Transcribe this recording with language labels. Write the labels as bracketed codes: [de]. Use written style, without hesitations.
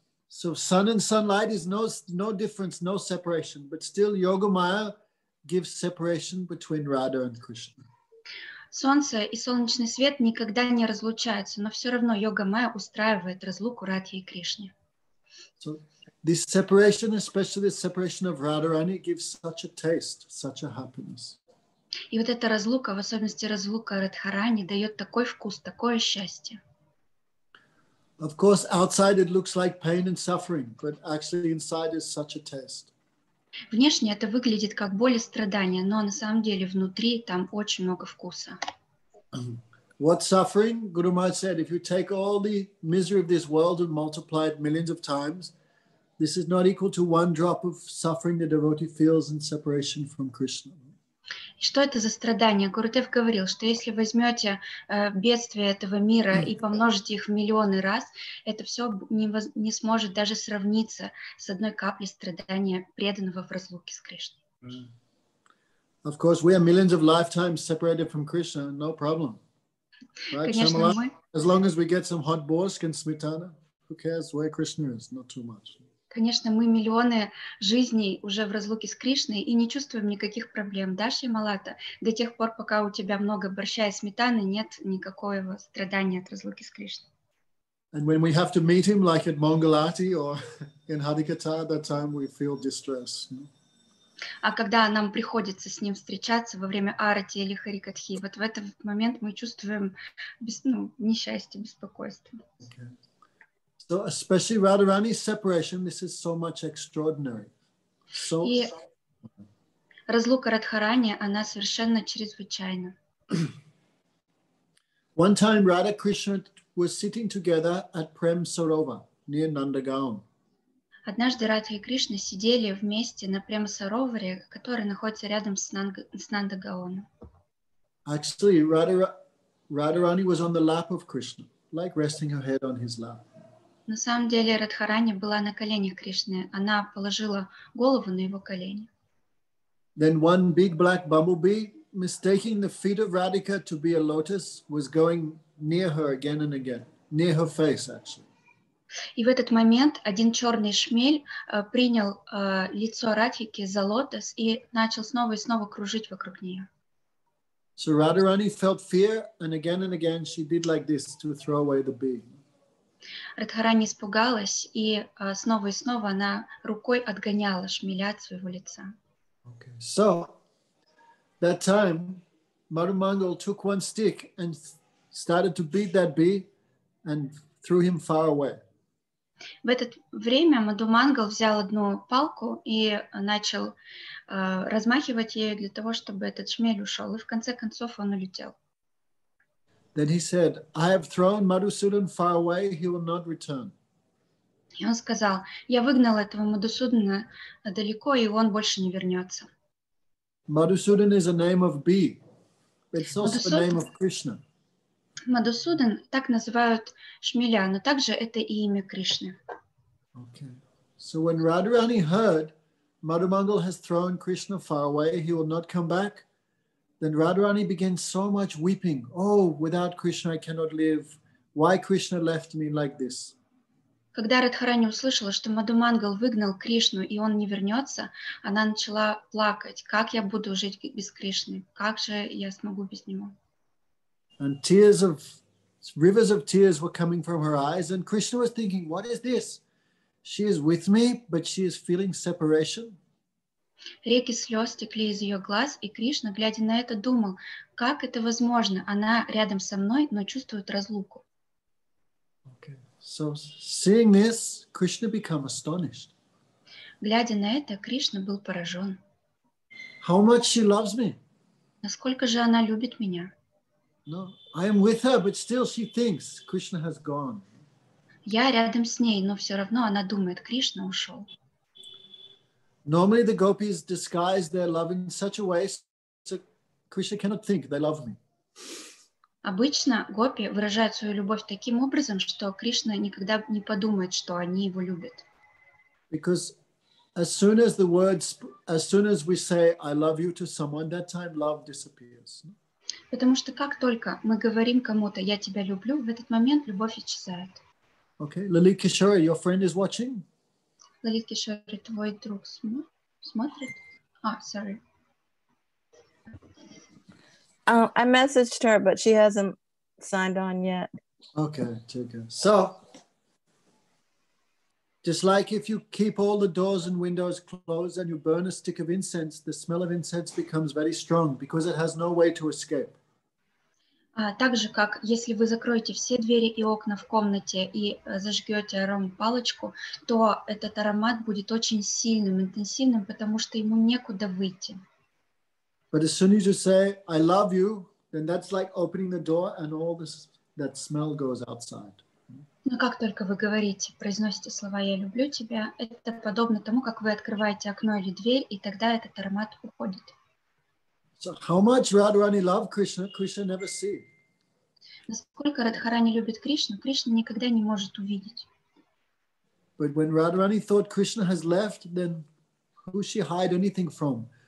[en] So sun and sunlight is no difference, no separation, but still Yoga Maya gives separation between Radha and Krishna. [ru] Солнце и солнечный свет никогда не разлучаются, но все равно Йога Майя устраивает разлуку Радхи и Кришне. [en] So this separation, especially the separation of Radharani, gives such a taste, such a happiness. [ru] И вот эта разлука, в особенности разлука Радхарани, дает такой вкус, такое счастье. [en] Of course, outside it looks like pain and suffering, but actually inside is such a taste. [ru] Внешне это выглядит как боль и страдания, но на самом деле внутри там очень много вкуса. [en] What suffering? Guru Maharaj said, if you take all the misery of this world and multiply it millions of times, this is not equal to one drop of suffering the devotee feels in separation from Krishna. [ru] Что это за страдания? Гурудев говорил, что если возьмете бедствия этого мира и помножите их в миллионы раз, это все не сможет даже сравниться с одной каплей страдания преданного в разлуке с Кришной. [en] Of course, we have millions of lifetimes separated from Krishna, no problem. Right? [ru] Конечно, [en] Shamala, as long as we get some hot borsk and smetana, who cares where Krishna is? Not too much. [ru] Конечно, мы миллионы жизней уже в разлуке с Кришной и не чувствуем никаких проблем, да, Шималата? До тех пор, пока у тебя много борща и сметаны, нет никакого страдания от разлуки с Кришной. [en] And when we have to meet him, like at Mangalati or in Hariketa, that time we feel distress. [ru] А когда нам приходится с ним встречаться во время арати или харикатхи, вот в этот момент мы чувствуем несчастье, беспокойство. [en] Okay. So especially Radharani's separation, this is so much extraordinary. So, [ru] и разлука Радхарани, она совершенно чрезвычайна. [en] One time Radha Krishna was sitting together at Prem Sarova near Nandagaon. [ru] Однажды Радха и Кришна сидели вместе на Прем-Сароваре, который находится рядом с Нандагаоном. [en] Actually, Radharani was on the lap of Krishna, like resting her head on his lap. [ru] На самом деле Радхарани была на коленях Кришны. Она положила голову на его колени. [en] Then one big black bumblebee, mistaking the feet of Radhika to be a lotus, was going near her again and again, near her face, actually. [ru] И в этот момент один черный шмель принял лицо Радхики за лотос и начал снова и снова кружить вокруг нее. [en] So Radharani felt fear, and again she did like this to throw away the bee. [ru] Радхарани испугалась и снова и снова она рукой отгоняла шмеля от своего лица. [en] Okay. So that time Madhu Mangal took one stick and started to beat that bee and threw him far away. [ru] В это время Мадху Мангал взял одну палку и начал размахивать ею для того, чтобы этот шмель ушел. И в конце концов он улетел. [en] Then he said, I have thrown Madhusudan far away, he will not return. [ru] И он сказал, я выгнал этого Мадхусудана далеко, и он больше не вернется. [en] Madhusudan is a name of bee. It's also the name of Krishna. [ru] Мадхусудан, так называют шмеля, но также это и имя Кришны. [en] Okay. So when Radharani heard Madhu Mangal has thrown Krishna far away, he will not come back, then Radharani began so much weeping. Oh, without Krishna I cannot live. Why Krishna left me like this? [ru] Когда Радхарани услышала, что Мадху Мангал выгнал Кришну, и он не вернется, она начала плакать. Как я буду жить без Кришны? Как же я смогу без него? [en] And tears of rivers of tears were coming from her eyes, and Krishna was thinking, "What is this? She is with me, but she is feeling separation." [ru] Реки слез текли из ее глаз, и Кришна, глядя на это, думал, как это возможно? Она рядом со мной, но чувствует разлуку. [en] Okay. So, seeing this, Krishna became astonished. [ru] Глядя на это, Кришна был поражен. [en] How much she loves me? [ru] Насколько же она любит меня? [en] No, I am with her, but still she thinks Krishna has gone. [ru] Я рядом с ней, но все равно она думает, Кришна ушел. [en] Normally the gopis disguise their love in such a way so Krishna cannot think they love me. [ru] Обычно гопи выражают свою любовь таким образом, что Кришна никогда не подумает, что они его любят. [en] Because as soon as we say I love you to someone, that time love disappears. [ru] Потому что как только мы говорим кому-то «я тебя люблю», в этот момент любовь исчезает. [en] Okay. Lalit Kishore, your friend is watching? [ru] Lalit Kishore, твой друг смотрит? [en] Sorry. I messaged her, but she hasn't signed on yet. Okay, take it. So, just like if you keep all the doors and windows closed and you burn a stick of incense, the smell of incense becomes very strong because it has no way to escape. [ru] Так же, как если вы закроете все двери и окна в комнате и зажгете аромапалочку, то этот аромат будет очень сильным, интенсивным, потому что ему некуда выйти. [en] But as soon as you say, I love you, then that's like opening the door and all this, that smell goes outside. [ru] Но как только вы говорите, произносите слова «я люблю тебя», это подобно тому, как вы открываете окно или дверь, и тогда этот аромат уходит. [en] So how much Radharani loved Krishna, Krishna never see. [ru] Насколько Радхарани любит Кришну, Кришна никогда не может увидеть. [en] But when Radharani thought Krishna has left, then who she hide anything from?